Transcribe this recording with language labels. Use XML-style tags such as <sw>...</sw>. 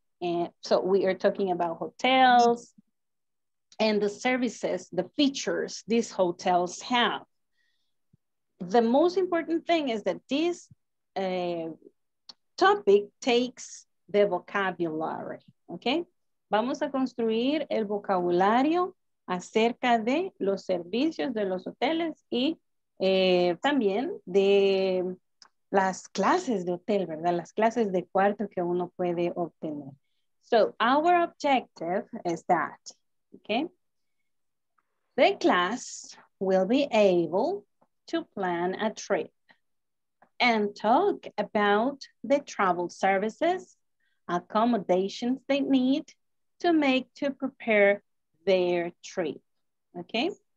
<en>And so we are talking about hotels and the services, the features these hotels have. The most important thing is that this topic takes the vocabulary, okay?</en> <es>Vamos a construir el vocabulario acerca de los servicios de los hoteles y también de las clases de hotel, ¿verdad? Las clases de cuarto que uno puede obtener.</es> <en>So our objective is that, okay? The class will be able to plan a trip and talk about the travel services, accommodations they need to make to prepare their trip, okay?</en>